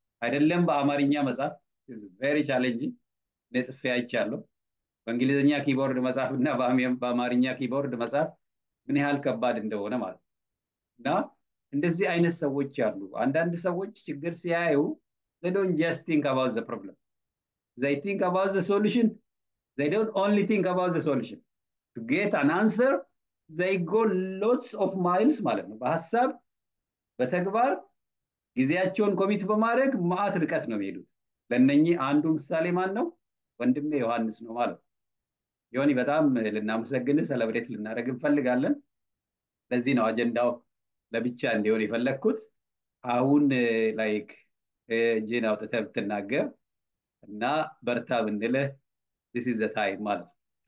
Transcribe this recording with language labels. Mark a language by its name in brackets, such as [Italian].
[Amharic] አይደለም በአማርኛ መጻፍ [English] is very challenging [Amharic] ለጽፍ ያይቻሉ። በእንግሊዘኛ ኪቦርድ መጻፍ እና በአማርኛ ኪቦርድ መጻፍ ምን ያህል ከባድ እንደሆነ ማለት እና እንደዚህ አይነት ሰዎች አሉ። አንዳንድ ሰዎች ችግር ሲያዩ [English] they don't just think about the problem. They think about the solution. They don't only think about the solution. To get an answer, they go lots of miles. [Amharic] በሐሳብ በተግባር ጊዜያቸውን ኮሚት በማድረግ ማት ርቀት ነው የሚሄዱት። ለነኚህ አንዱ ምሳሌ ማን ነው? ወንድሜ ዮሐንስ ነው ማለት ነው። ዮኒ በጣም ልናመሰግን ሰለብሬት ልናደርግ እንፈልጋለን። ለዚህ ነው አጀንዳው ለብቻ እንዲሆን የፈለግኩት። አሁን ላይክ ጂን አውጥተህ ብትናገር እና በርታ ብንልህ [English] this is the time [Amharic] ማለት ነው።